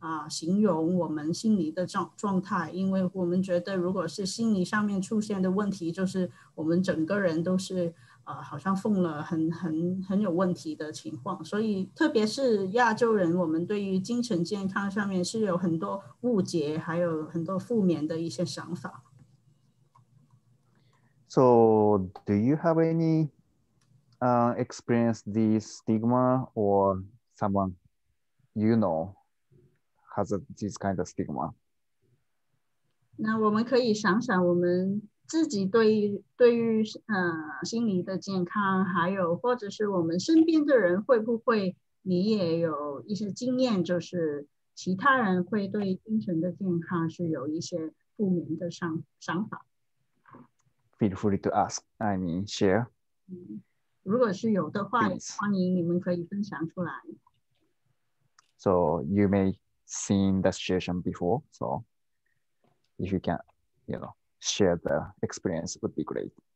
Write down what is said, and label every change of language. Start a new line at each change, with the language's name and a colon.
Chinese: 形容我们心理的状态，因为我们觉得如果是心理上面出现的问题，就是我们整个人都是好像疯了，很有问题的情况。所以特别是亚洲人，我们对于精神健康上面是有很多误解，还有很多负面的一些想法。
English: So do you have any experience this stigma, or someone you know has this kind of stigma?
Chinese: 那我们可以想想，我们自己对于心理的健康，还有或者是我们身边的人，会不会你也有一些经验，就是其他人会对精神的健康是有一些负面的想法？
English: Feel free to ask, I mean share.
Chinese: 如果是有的话，欢迎你们可以分享出来。
English: So you may seen the situation before, so if you can, you know, share the experience would be great.